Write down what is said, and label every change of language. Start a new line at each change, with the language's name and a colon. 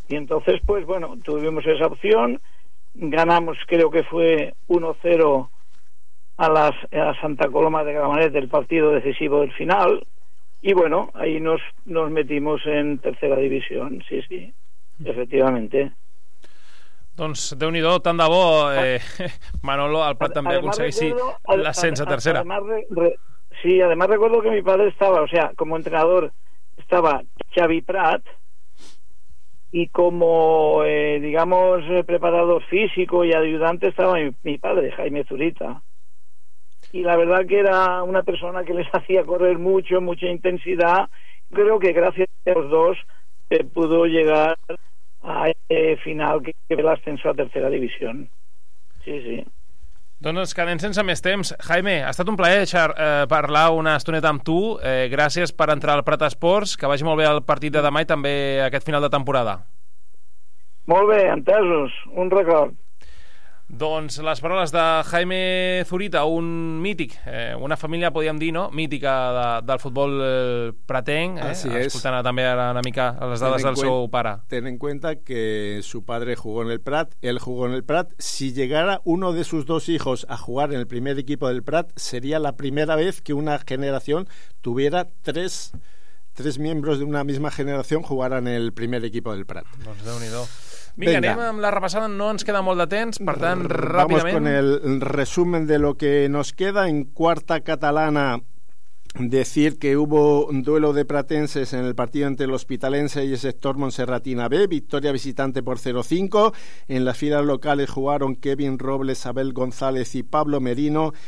Spanish: Y entonces pues bueno, tuvimos esa opción. Ganamos, creo que fue 1-0 a Santa Coloma de Gramenet, del partido decisivo del final. Y bueno, ahí nos metimos en tercera división, sí, sí, efectivamente.
Catalan: Doncs déu-n'hi-do, tant de bo, Manolo, el Prat també aconsegueixi l'ascens a tercera.
Spanish: Además recuerdo que mi padre estaba, o sea, como entrenador estaba Xavi Prat, y como, digamos, preparador físico y ayudante estaba mi padre, Jaime Zurita. Y la verdad que era una persona que les hacía correr mucho, mucha intensidad. Creo que gracias a los dos pudo llegar a ese final que fue el ascenso a tercera división. Sí, sí.
Catalan: Doncs quedem sense més temps. Jaime, ha estat un plaer parlar una estoneta amb tu. Gràcies per entrar al Prat Esports. Que vagi molt bé el partit de demà i també aquest final de temporada. Molt bé, entesos. Un record. Doncs les paraules de Jaime Zurita, un mític, una família, podríem dir, no? Mítica del futbol pretenc.
Spanish: Así
Catalan: es. Escoltant també ara una mica les dades del seu pare.
Spanish: Ten en cuenta que su padre jugó en el Prat, él jugó en el Prat. Si llegara uno de sus dos hijos a jugar en el primer equipo del Prat, sería la primera vez que una generación tuviera tres miembros de una misma generación jugaran en el primer equipo del Prat.
Catalan: Doncs déu-n'hi-do. Vinga, anem amb la repassada, no ens queda molt de temps, per tant, ràpidament...
Spanish: Vamos con el resumen de lo que nos queda. En quarta catalana, decir que hubo un duelo de pratenses en el partido entre el hospitalense y el sector Monserratina B, victoria visitante por 0-5. En las filas locales jugaron Kevin Robles, Abel González y Pablo Merino.